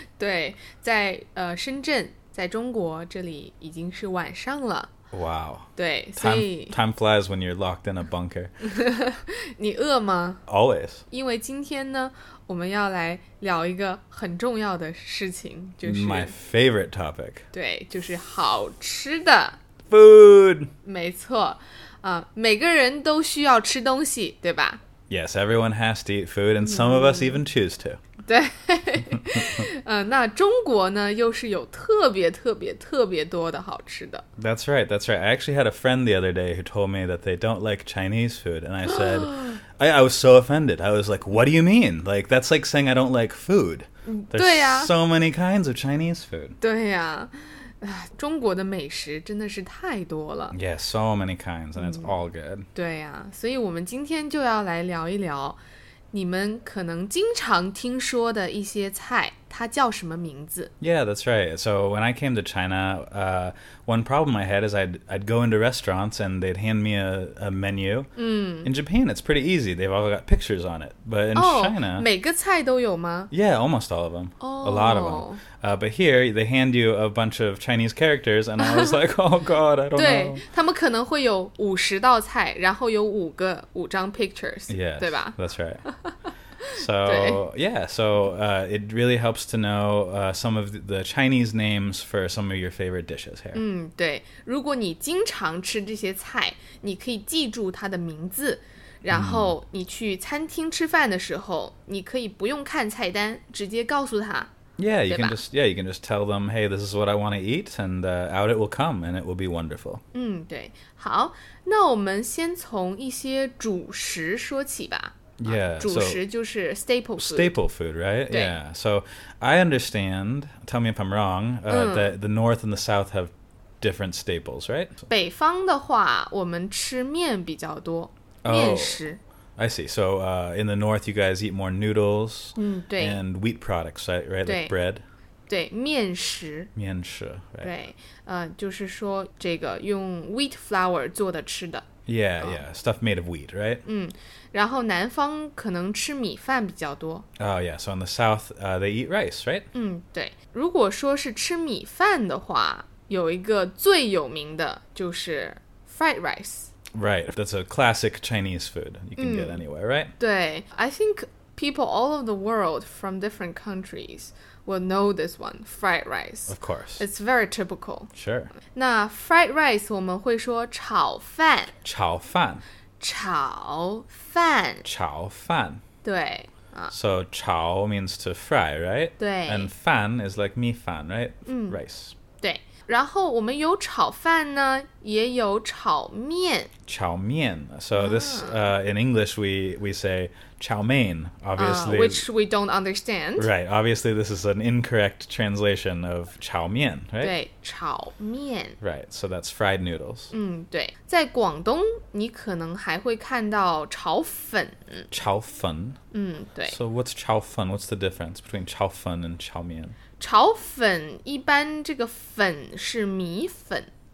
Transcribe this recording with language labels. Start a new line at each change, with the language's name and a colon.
Chinese: 对，在深圳，在中国，这里已经是晚上了。
English: Wow.
Chinese: 对，
English: time flies when you're locked in a bunker.
Chinese: 你饿吗？
English: Always.
Chinese: 因为今天呢，我们要来聊一个很重要的事情，就是
English: My favorite topic.
Chinese: 对，就是好吃的。
English: Food.
Chinese: 没错，每个人都需要吃东西，对吧？
English: Yes, everyone has to eat food, and some of us even choose to.
Chinese: 对，那中国呢，又是有特别特别特别多的好吃的。
English: That's right, that's right. I actually had a friend the other day who told me that they don't like Chinese food, and I said, I was so offended. I was like, what do you mean? Like, that's like saying I don't like food. There's so many kinds of Chinese food.
Chinese: 对呀，中国的美食真的是太多了。
English: Yeah, so many kinds, and it's all good.
Chinese: 对呀，所以我们今天就要来聊一聊你们可能经常听说的一些菜，它叫什么名字？
English: Yeah, that's right. So when I came to China, one problem I had is I'd go into restaurants and they'd hand me a menu. In Japan, it's pretty easy. They've all got pictures on it. But in China...
Chinese: 每个菜都有吗？
English: Yeah, almost all of them. Oh. A lot of them. But here, they hand you a bunch of Chinese characters and I was like, oh god, I don't
Chinese: 对,
English: know.
Chinese: 他们可能会有五十道菜，然后有五张 pictures,
English: yes,
Chinese: 对吧？
English: That's right. So, yeah, so it really helps to know some of the Chinese names for some of your favorite dishes here.
Chinese: 对，如果你经常吃这些菜，你可以记住它的名字，然后你去餐厅吃饭的时候，你可以不用看菜单，直接告诉他。
English: Yeah, you can just tell them, hey, this is what I want to eat, and out it will come, and it will be wonderful.
Chinese: 对，好，那我们先从一些主食说起吧。
English: Yeah,
Chinese: 主食就是
English: staple food. Staple food, right? Yeah. So I understand, tell me if I'm wrong, that the North and the South have different staples, right?
Chinese: 北方的话，我们吃面比较多，面食。
English: I see. So in the North, you guys eat more noodles
Chinese: 对
English: and wheat products, right? Like bread.
Chinese: 对，面食。面食，
English: right.
Chinese: 对，就是说这个用 wheat flour 做的吃的。
English: Yeah, yeah, stuff made of wheat, right?
Chinese: 然后南方可能吃米饭比较多。
English: Oh, yeah, so in the south, they eat rice, right?
Chinese: 对。如果说是吃米饭的话，有一个最有名的就是 fried rice.
English: Right, that's a classic Chinese food you can get anywhere, right? 对, I think people all over the world from different countries will know this one, fried rice. Of course. It's very typical. Sure.
Chinese: 那 fried rice 我们会说炒饭。炒饭。炒饭。炒饭。对。
English: So 炒 means to fry, right?
Chinese: 对。
English: And 饭 is like 米饭, right? Rice.
Chinese: 对。然后我们有炒饭呢，也有炒面。炒面。
English: So this, in English, we say 炒面, obviously. Which we don't understand. Right, obviously this is an incorrect translation of 炒面, right?
Chinese: 对，炒面。
English: Right, so that's fried noodles.
Chinese: 对。在广东，你可能还会看到炒粉。炒粉。对。
English: So what's 炒粉?What's the difference between 炒粉 and 炒面?
Chinese: 炒粉一般这个粉是米粉。